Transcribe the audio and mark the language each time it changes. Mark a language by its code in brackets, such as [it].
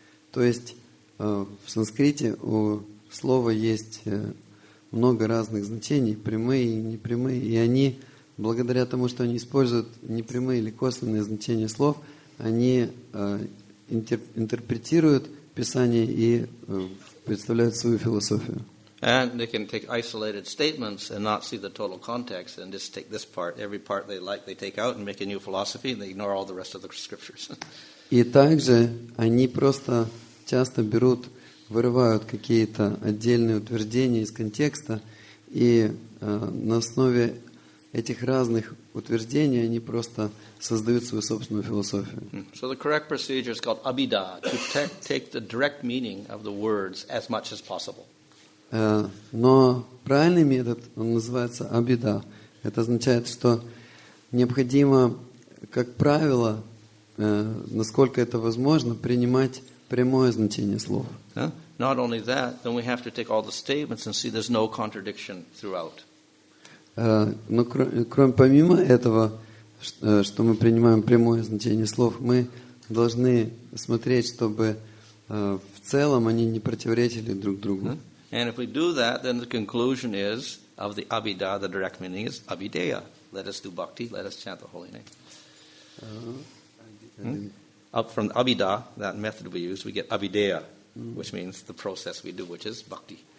[ru] То есть в санскрите у слова есть много разных значений, прямые и непрямые, и они, благодаря тому, что они используют непрямые или косвенные значения слов, они интерпретируют Писание и представляют свою философию. [en] And they can take isolated statements and not see the total context and just take this part, every part they like, they take out and make a new philosophy and they ignore all the rest of the scriptures. [ru] И также они просто часто берут, вырывают какие-то отдельные утверждения из контекста и на основе этих разных утверждений они просто создают свою собственную философию. [en] So the correct procedure is called Abhidha, to take the direct meaning of the words as much as possible. [ru] Но правильный метод, он называется абида. Это означает, что необходимо, как правило, насколько это возможно, принимать прямое значение слов. [en] Not only that, then we have to take all the statements and see there's no contradiction throughout. [ru] Но кроме помимо этого, что мы принимаем прямое значение слов, мы должны смотреть, чтобы в целом они не противоречили друг другу. [en] And if we do that, then the conclusion is of the Abhidha, the direct meaning is Abhideya. Let us do bhakti, let us chant the holy name. Up from the Abhidha, that method we use, we get Abhideya, which means the process we do, which is bhakti.